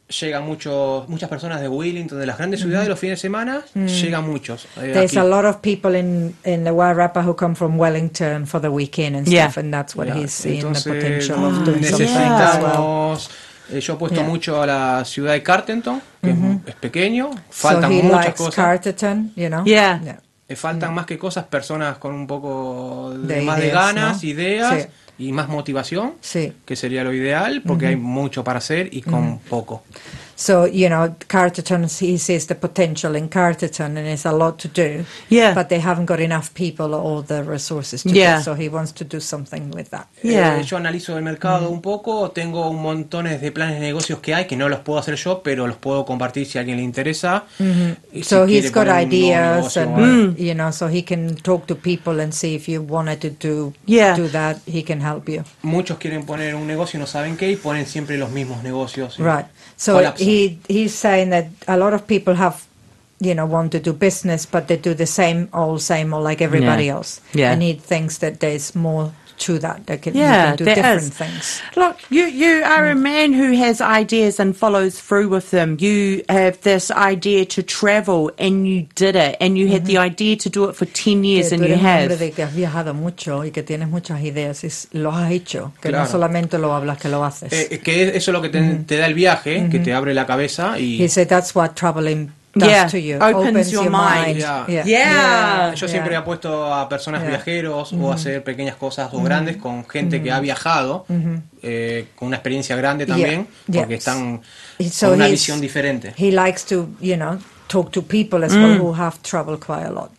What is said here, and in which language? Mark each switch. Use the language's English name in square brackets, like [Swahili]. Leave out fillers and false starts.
[Spanish] Llegan muchas personas de Wellington, de las grandes ciudades, los fines de semana llegan muchos. [English] There's [Spanish] aquí [English] a lot of people in the Wairarapa who come from Wellington for the weekend and stuff, and that's what he's seeing the potential of doing [Spanish] necesitamos, yo he puesto mucho a la ciudad de Carterton, que es pequeño, faltan muchas cosas. [English] Carterton, you know. [Spanish] Faltan más que cosas, personas con un poco de más ideas, de ganas, ideas. Sí. Y más motivación, que sería lo ideal, porque hay mucho para hacer y con poco. [English] So, you know, Carterton, he sees the potential in Carterton and it's a lot to do. Yeah. But they haven't got enough people or the resources to do, so he wants to do something with that. Yeah. [Spanish] Yo analizo el mercado un poco, tengo un montón de planes de negocios que hay que no los puedo hacer yo, pero los puedo compartir si a alguien le interesa. Mm-hmm. [English] So si he's got ideas and, you know, so he can talk to people and see if you wanted to do, do that, he can help you. [Spanish] Muchos quieren poner un negocio y no saben qué y ponen siempre los mismos negocios. [English] Right. So he's saying that a lot of people have, you know, want to do business, but they do the same old, like everybody else. Yeah. And he thinks that there's more to that. They can, they can do different things. Look, you are a man who has ideas and follows through with them. You have this idea to travel and you did it. And you had the idea to do it for 10 years and you have. [Spanish] Que tú eres un hombre que has viajado mucho y que tienes muchas ideas. Es, lo has hecho. Que claro. No solamente lo hablas, que lo haces. Que eso es lo que te da el viaje, que te abre la cabeza. Y... [English] He said that's what traveling does to you. Opens your mind. [Spanish] Yo siempre he puesto a personas viajeros o hacer pequeñas cosas o grandes con gente que ha viajado, con una experiencia grande también, porque están con una visión diferente. [English] He likes to, you know, talk to people as well who have traveled quite a lot.